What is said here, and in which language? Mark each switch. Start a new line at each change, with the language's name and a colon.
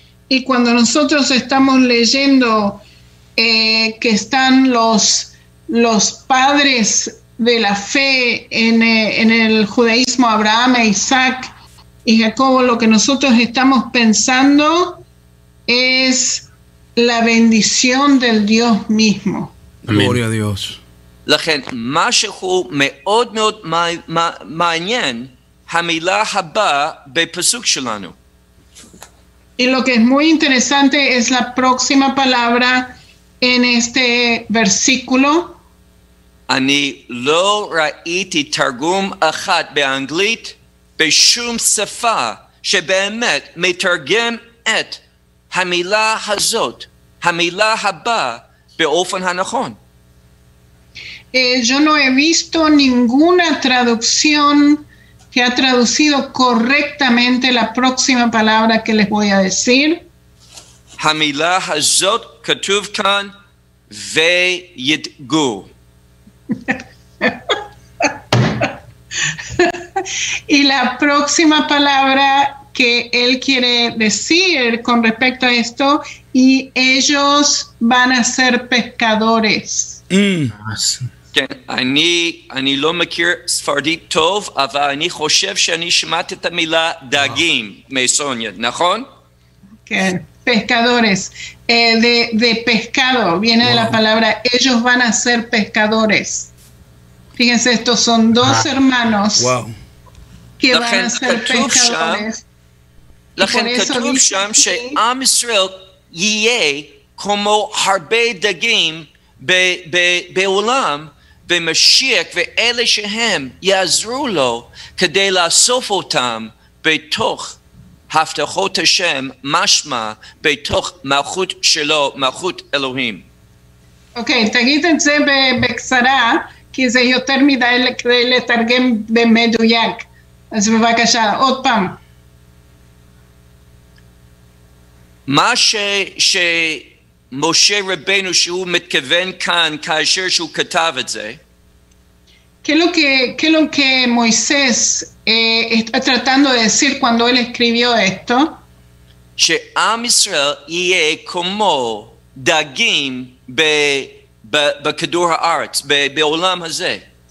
Spanish: y cuando nosotros estamos leyendo que están los padres de la fe en el judaísmo, Abraham, Isaac y Jacobo, lo que nosotros estamos pensando es la bendición del Dios mismo. Gloria a Dios. La gente,
Hebrew: משהו מאוד מאוד מעניין, המילה הבא בפסוק שלנו.
Spanish: Y lo que es muy interesante es la próxima palabra en este versículo.
Hebrew: אני לא ראיתי תרגום אחד באנגלית בשום שפה שבאמת מתרגם את המילה הזאת, המילה הבא, באופן הנכון.
Spanish: Yo no he visto ninguna traducción que ha traducido correctamente la próxima palabra que les voy a decir.
Hebrew: Hamila hazot ketuv kan ve'yidgu.
Spanish: Y la próxima palabra que él quiere decir con respecto a esto, y ellos van a ser pescadores.
Hebrew: כן, אני לא מכיר ספרדית טוב, אבל אני חושב שאני שמעתי את המילה דגים מסוניה, נכון? כן,
Spanish: pescadores. De pescado, viene de la palabra, ellos van a ser pescadores. Fíjense, estos son dos hermanos que van a ser pescadores.
Hebrew: לכן כתוב שם שעם ישראל יהיה כמו הרבה דגים בעולם, במשיח, ואלה שהם יעזרו לו כדי לאסוף אותם בתוך הבטחות השם, משמע בתוך מלכות שלו, מלכות אלוהים. אוקיי, תגיד את זה בקצרה, כי זה יותר מדי כדי לתרגם במדויק. אז בבקשה, עוד פעם. מה שמשה רבנו שהוא מתכוון כאן כאשר שהוא כתב את זה,
Spanish: ¿Qué es lo que Moisés está tratando de decir cuando él escribió esto? Que
Hebrew: Am Israel yé como dagim be kedur haaretz, be olam hazeh.